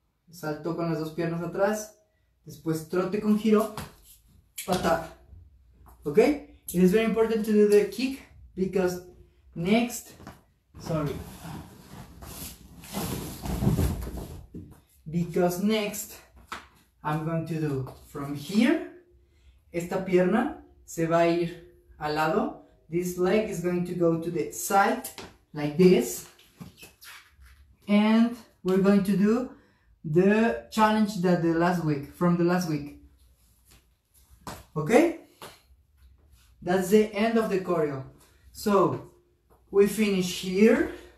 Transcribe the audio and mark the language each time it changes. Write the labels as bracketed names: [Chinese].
[Spanish] Salto con las dos piernas atrás. Después trote con giro. Patada. Okay? [English] It is very important to do the kick because next. Sorry. Because next I'm going to do from here. [Spanish] Esta pierna se va a ir al lado. [English] This leg is going to go to the side, like this. And we're going to do the challenge that the last week, from the last week. Okay? That's the end of the choreo. So, we finish here.